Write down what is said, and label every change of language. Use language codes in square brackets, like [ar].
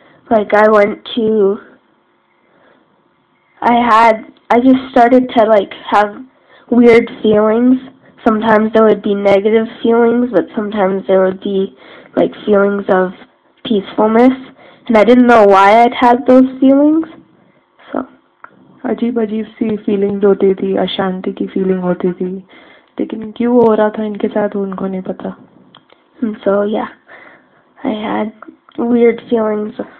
[en] Like I just started to like have weird feelings. Sometimes there would be negative feelings, but sometimes there would be like feelings of peacefulness, and I didn't know why I'd had those feelings. So, [hi] अजीब अजीब सी feelings होती थी, अशांति की feeling होती थी. लेकिन क्यों हो रहा था इनके साथ वो उनको नहीं पता. [en] So yeah, I had weird feelings.